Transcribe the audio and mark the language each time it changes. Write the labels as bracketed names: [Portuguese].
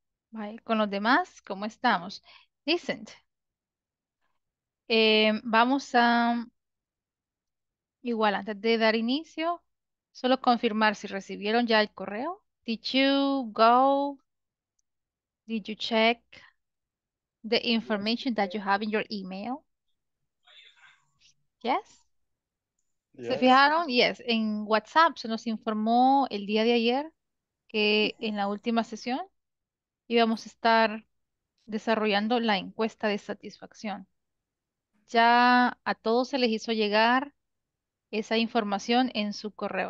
[Spanish] Vale, con los demás, ¿cómo estamos? Decent. Vamos a, igual, antes de dar inicio, solo confirmar si recibieron ya el correo. [English] Did you check the information that you have in your email? Yes. ¿Se Yes. [Spanish] fijaron? [English] Yes. [Spanish] En WhatsApp se nos informó el día de ayer que en la última sesión íbamos a estar desarrollando la encuesta de satisfacción. Ya a todos se les hizo llegar esa información en su correo.